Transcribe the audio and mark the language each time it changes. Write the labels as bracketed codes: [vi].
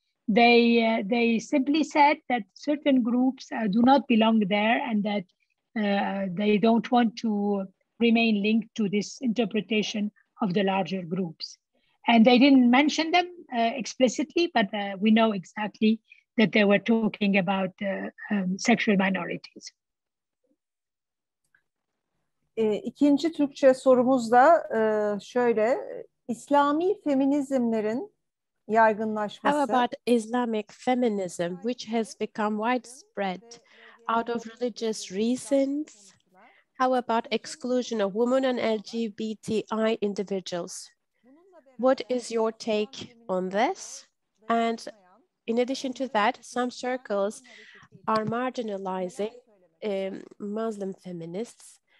[en] They simply said that certain groups do not belong there and that they don't want to remain linked to this interpretation of the larger groups. And they didn't mention them explicitly, but we know exactly that they were talking about sexual minorities. [tr] İkinci Türkçe sorumuz da şöyle, İslami feminizmlerin yaygınlaşması. [en] How about Islamic feminism, which has become widespread out of religious reasons? How about exclusion of women and LGBTI individuals? What is your take on this? And in addition to that, some circles are marginalizing Muslim feminists.